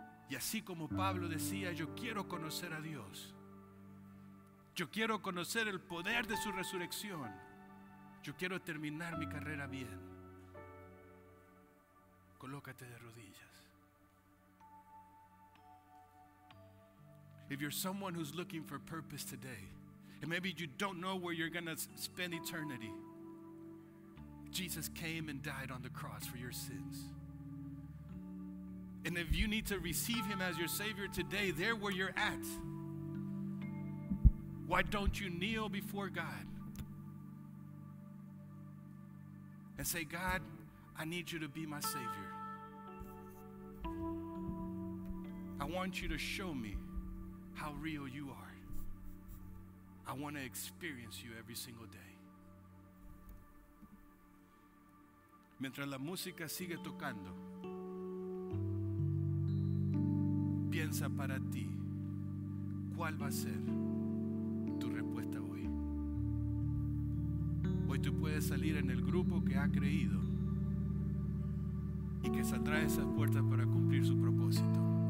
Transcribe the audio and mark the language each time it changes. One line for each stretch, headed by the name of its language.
Spanish: Y así como Pablo decía, yo quiero conocer a Dios, yo quiero conocer el poder de su resurrección, yo quiero terminar mi carrera bien, colócate de rodillas.
English: If you're someone who's looking for purpose today, and maybe you don't know where you're going to spend eternity, Jesus came and died on the cross for your sins. And if you need to receive him as your Savior today, there where you're at, why don't you kneel before God and say, God, I need you to be my Savior. I want you to show me how real you are. I want to experience you every single day.
Spanish: Mientras la música sigue tocando, piensa para ti, ¿cuál va a ser tu respuesta hoy? Hoy tú puedes salir en el grupo que ha creído y que saldrá de esas puertas para cumplir su propósito.